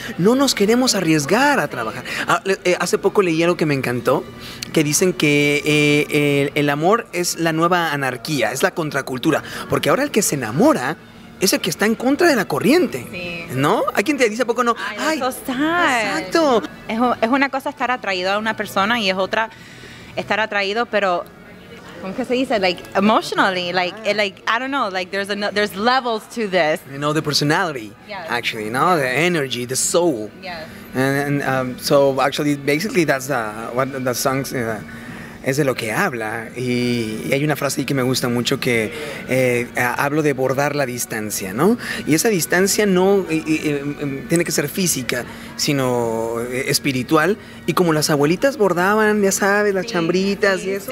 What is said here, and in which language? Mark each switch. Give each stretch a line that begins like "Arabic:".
Spanish: No nos queremos arriesgar a trabajar. Hace poco leí algo que me encantó, que dicen que el amor es la nueva anarquía, es la contracultura. Porque ahora el que se enamora... es el que está en contra de la corriente, sí. ¿No? Hay quien te dice, ¿a poco no? ¡Ay, eso está! ¡Exacto! Es una cosa estar atraído a una persona y es otra estar atraído, pero... ¿cómo que se dice?
English: Like, emotionally, like, I don't know, like, there's levels to this. You know, the personality, yes. Actually, you know, the energy, the soul. Yes. And so, actually, basically, that's what the song
Spanish: es de lo que habla. Y hay una frase ahí que me gusta mucho que hablo de bordar la distancia, ¿no? Y esa distancia no tiene que ser física, sino espiritual. Y como las abuelitas bordaban, ya sabes, las chambritas y eso.